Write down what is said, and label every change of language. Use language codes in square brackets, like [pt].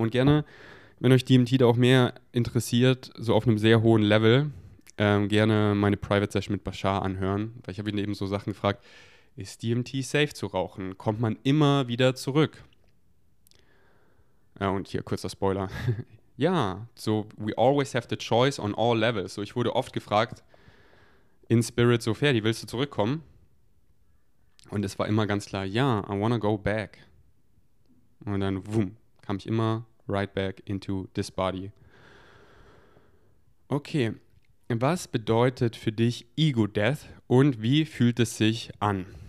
[de] Und gerne, wenn euch DMT da auch mehr interessiert, so auf einem sehr hohen Level, gerne meine Private Session mit Bashar anhören, weil ich habe ihn eben so Sachen gefragt, ist DMT safe zu rauchen? Kommt man immer wieder zurück? Ja, und hier kurzer Spoiler. Ja, [en] so we always have the choice on all levels. [de] So, ich wurde oft gefragt, in Spirit, so Ferdi, willst du zurückkommen? Und es war immer ganz klar, ja, [en] I wanna go back. [de] Und dann, wumm, kam ich immer [en] right back into this body. [de] Okay, was bedeutet für dich Ego-Death und wie fühlt es sich an?